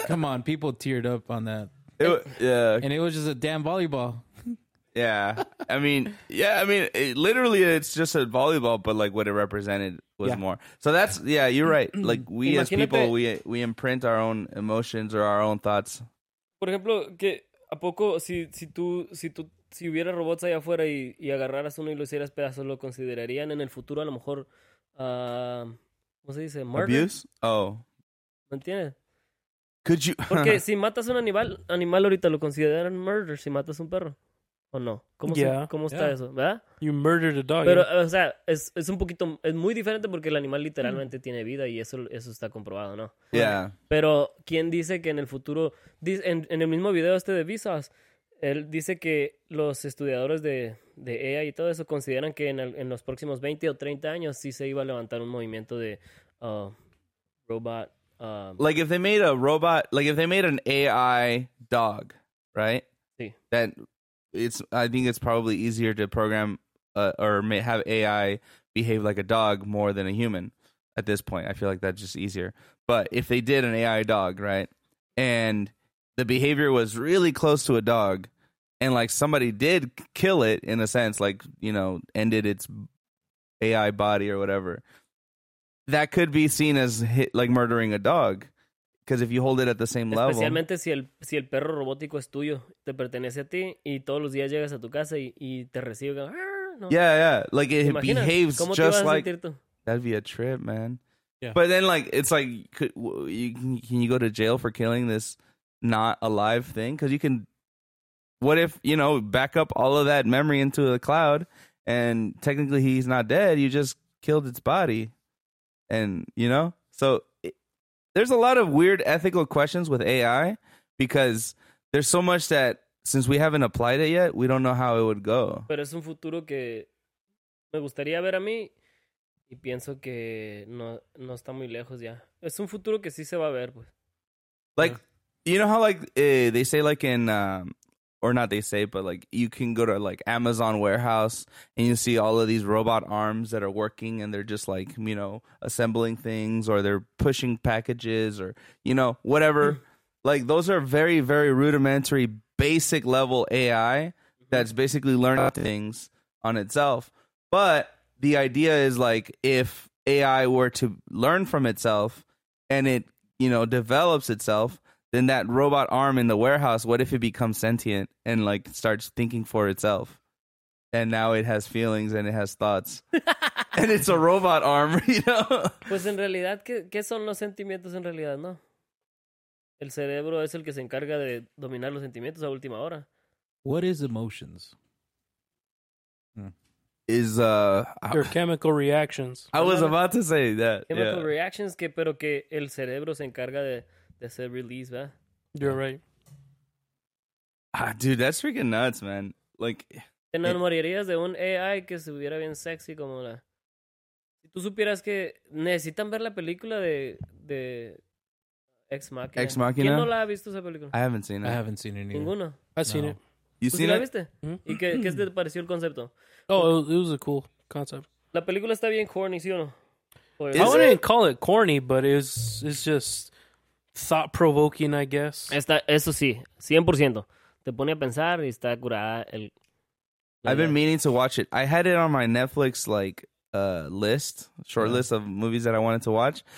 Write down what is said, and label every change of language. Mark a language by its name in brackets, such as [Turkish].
[English] Come on, people teared up on that. And it was just a damn volleyball. Yeah, I mean, literally, it's just a volleyball, but, like, what it represented was more. So that's, you're right. Like, we as people, we imprint our own emotions or our own thoughts. [Spanish] Por ejemplo, que a poco, si hubiera robots allá afuera y agarraras uno y lo hicieras pedazos, ¿lo considerarían en el futuro, a lo mejor, ¿cómo se dice? [English] Murder? Abuse? Oh. [Spanish] ¿Me entiendes? [English] Could you? [Spanish] Porque si matas un animal ahorita, ¿lo consideran murder si matas un perro? ¿O no? ¿Cómo está eso? ¿Verdad? [English] You murdered a dog. [Spanish] Pero, o sea, es un poquito... Es muy diferente porque el animal literalmente tiene vida y eso está comprobado, ¿no? [English] Yeah. [Spanish] Pero, ¿quién dice que en el futuro... En el mismo video este de Vsauce, él dice que los estudiadores de AI y todo eso consideran que en los próximos 20 o 30 años sí se iba a levantar un movimiento de robot... [English] Like, if they made a robot... Like, if they made an AI dog, right? Sí. Then... I think it's probably easier to program or may have AI behave like a dog more than a human at this point. I feel like that's just easier. But if they did an AI dog, right, and the behavior was really close to a dog, and, like, somebody did kill it in a sense, like, you know, ended its AI body or whatever, that could be seen as like murdering a dog. Because if you hold it at the same level... [Spanish] Especialmente si el perro robótico es tuyo, te pertenece a ti, y todos los días llegas a tu casa y te recibe... [English] Y go, no. Yeah. Like, it behaves just like... [Spanish] ¿Cómo te vas a sentir tú? [English] That'd be a trip, man. Yeah. But then, like, it's like... Can you go to jail for killing this not alive thing? Because you can... What if, you know, back up all of that memory into the cloud, and technically he's not dead, you just killed its body. And, you know? So... There's a lot of weird ethical questions with AI because there's so much that, since we haven't applied it yet, we don't know how it would go. [Spanish] Pero es un futuro que me gustaría ver a mí y pienso que no está muy lejos ya. Es un futuro que sí se va a ver, pues. [English] Like, you know how, like, they say, like, in, or not they say, but, like, you can go to, like, Amazon warehouse and you see all of these robot arms that are working and they're just, like, you know, assembling things or they're pushing packages or, you know, whatever. Like, those are very, very rudimentary, basic level AI that's basically learning things on itself. But the idea is, like, if AI were to learn from itself and it, you know, develops itself, then that robot arm in the warehouse, what if it becomes sentient and, like, starts thinking for itself? And now it has feelings and it has thoughts. And it's a robot arm, you know? [Spanish] Pues en realidad, ¿qué son los sentimientos en realidad, no? El cerebro es el que se encarga de dominar los sentimientos a última hora. [English] What is emotions? Is, your chemical reactions. I was about to say that. Chemical yeah. [Spanish] reactions, que pero que el cerebro se encarga de... [English] That's a release, man. You're right. Ah, dude, that's freaking nuts, man. Like, [Spanish] ¿te enamorarías de un AI que se hubiera bien sexy como la? Si tú supieras que necesitan ver la película de Ex Machina. Ex Machina. ¿Quién no la ha visto esa película? [English] I haven't seen it. I haven't seen it. [Spanish] Ninguno. [English] I've seen it. You seen [Spanish] it? ¿Y qué te pareció el concepto? [English] Oh, it was a cool concept. [Spanish] La película está bien corny, ¿sí o no? [English] I wouldn't call it corny, but it's just thought-provoking, I guess. [Spanish] Está, eso sí, 100%. Te pone a pensar y está curada el... [English] I've been meaning to watch it. I had it on my Netflix, like, list, short list of movies that I wanted to watch.